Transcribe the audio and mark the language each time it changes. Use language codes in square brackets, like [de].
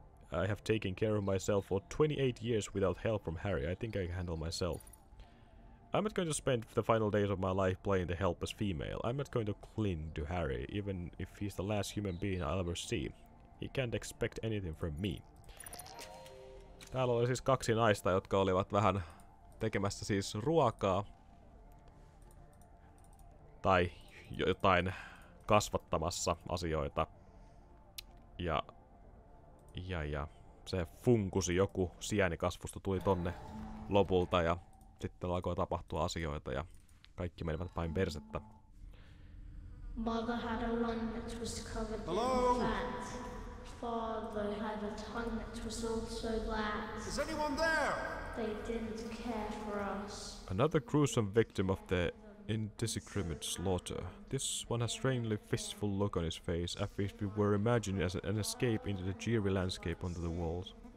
[en] I have taken care of myself for 28 years without help from Harry. I think I can handle myself. I'm not going to spend the final days of my life playing the helpless female. I'm not going to cling to Harry, even if he's the last human being I'll ever see. He can't expect anything from me. [fi] Täällä oli siis kaksi naista, jotka olivat vähän tekemässä siis ruokaa. Tai jotain kasvattamassa asioita. Ja se funkusi joku sienikasvusto tuli tonne lopulta ja sitten alkoi tapahtua asioita ja kaikki menivät päin persettä. [en] Mother had a lung that was covered in Hello? Fat. Father had a tongue that was also black. Is anyone there? They didn't care for us. Another gruesome victim of the indiscriminate slaughter. This one has a strangely fistful look on his face, as if we were imagining as an escape into the dreary landscape under the walls.